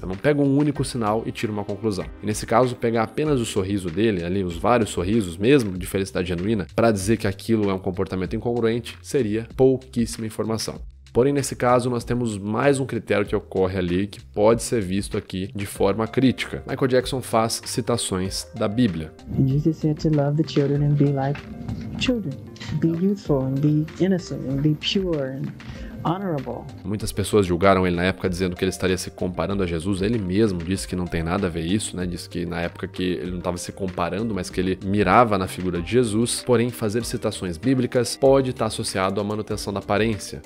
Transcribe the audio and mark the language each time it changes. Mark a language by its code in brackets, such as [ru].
[pt] Eu não pego um único sinal e tiro uma conclusão. E nesse caso, pegar apenas o sorriso dele, ali, os vários sorrisos, mesmo de felicidade genuína, para dizer que aquilo é um comportamento incongruente, seria pouquíssima informação. Porém, nesse caso, nós temos mais um critério que ocorre ali que pode ser visto aqui de forma crítica. Michael Jackson faz citações da Bíblia. [en] Jesus said to love the children and be like children. Be youthful and be innocent and be pure and honorable. [pt] Muitas pessoas julgaram ele na época dizendo que ele estaria se comparando a Jesus. Ele mesmo disse que não tem nada a ver isso, né? Disse que na época que ele não estava se comparando, mas que ele mirava na figura de Jesus. Porém, fazer citações bíblicas pode estar associado à manutenção da aparência.